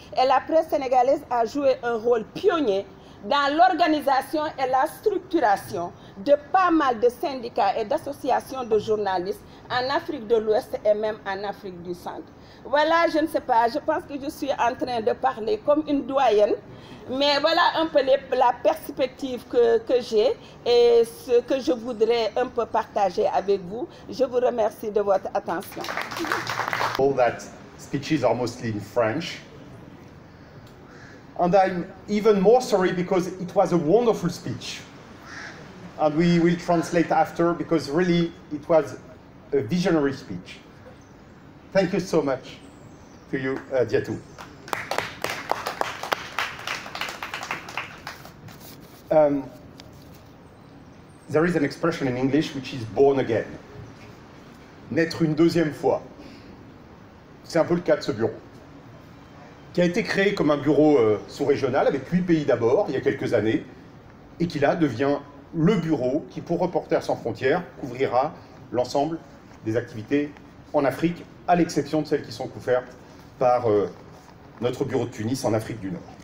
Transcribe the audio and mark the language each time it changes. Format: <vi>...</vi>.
<fr>Et la presse sénégalaise a joué un rôle pionnier dans l'organisation et la structuration de pas mal de syndicats et d'associations de journalistes en Afrique de l'Ouest et même en Afrique du Centre. Voilà, je ne sais pas, je pense que je suis en train de parler comme une doyenne, mais voilà un peu la perspective que j'ai et ce que je voudrais un peu partager avec vous. Je vous remercie de votre attention.</fr> <en>All that speech is mostly in French. And I'm even more sorry because it was a wonderful speech. And we will translate after because really it was a visionary speech. Thank you so much to you, Diatou. There is an expression in English which is born again.</en> <fr>Naître une deuxième fois. C'est un peu le cas de ce bureau. Qui a été créé comme un bureau sous-régional avec 8 pays d'abord, il y a quelques années, et qui là devient le bureau qui, pour Reporters sans frontières, couvrira l'ensemble des activités en Afrique, à l'exception de celles qui sont couvertes par notre bureau de Tunis en Afrique du Nord.</fr>